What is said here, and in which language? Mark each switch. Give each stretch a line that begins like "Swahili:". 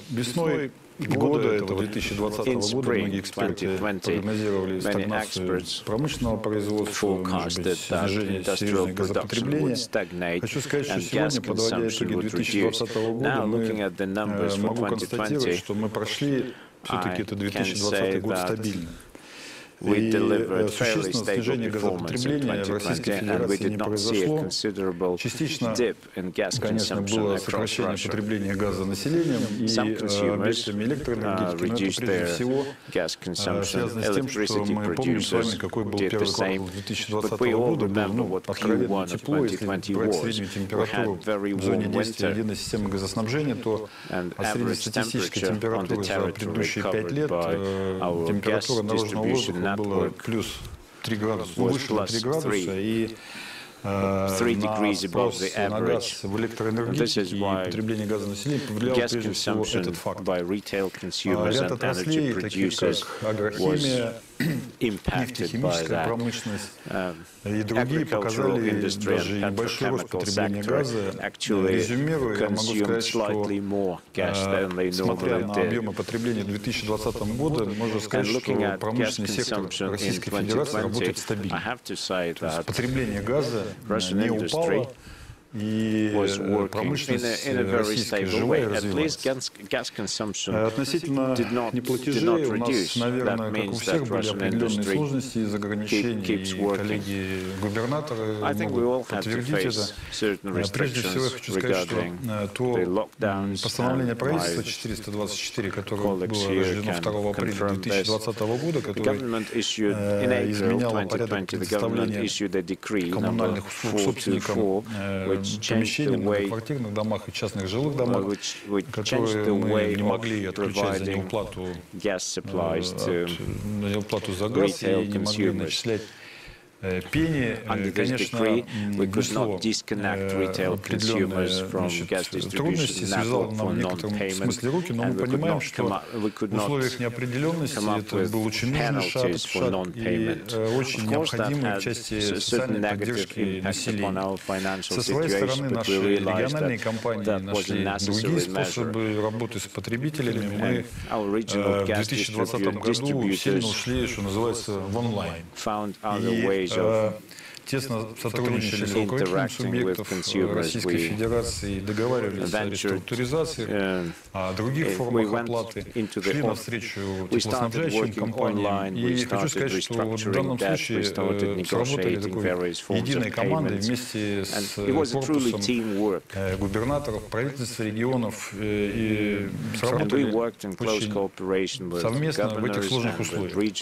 Russian: Весной года этого, 2020 года, многие эксперты прогнозировали стагнацию промышленного производства, может быть, снижение серьезного газопотребления. Хочу сказать, что сегодня, подводя итоги 2020 года, могу констатировать, что мы прошли все-таки это 2020 год стабильно.
English: We delivered fairly stable performance in 2020, and we did not see a considerable dip in gas consumption across Russia. Some consumers reduced their gas consumption. Electricity producers did the same. But we all remember what Q1 of 2020 was. We had very warm winter, and average temperature on the territory covered by our gas distribution network
Russian: было плюс 3 градуса, выше 3 градуса, и
English: 3 degrees above the average. This is why gas consumption by retail consumers and energy producers was impacted by that. Agricultural industry and petrochemical sector actually consumed slightly more gas than they normally did. And looking at gas consumption in 2020, I have to say that Russian industry was working in a very stable way. At least gas consumption did not reduce. That means that Russian industry keeps working. I think we all have to face certain restrictions regarding the lockdowns.
Russian: Постановление правительства 424, которое было рождено 2 апреля 2020 года, которое изменяло порядок предоставления коммунальных услуг собственникам многоквартирных домах и частных жилых домах, которые мы не могли отключать за неуплату за газ и не могли начислять.
English: Under this decree, we could not disconnect retail consumers from gas distribution network for non-payment, and we could not come up with penalties for non-payment. Of course, that had a certain negative impact upon our financial situation, but we realized that was a necessary measure. And our regional gas distributors found other ways of
Russian: тесно сотрудничали с руководителями субъектов Российской Федерации, договаривались о реструктуризации, о других формах оплаты, шли навстречу теплоснабжающим компаниям. И хочу сказать, что в данном случае сработали такой единой командой вместе с корпусом губернаторов, правительства регионов, и сработали очень совместно в этих сложных условиях.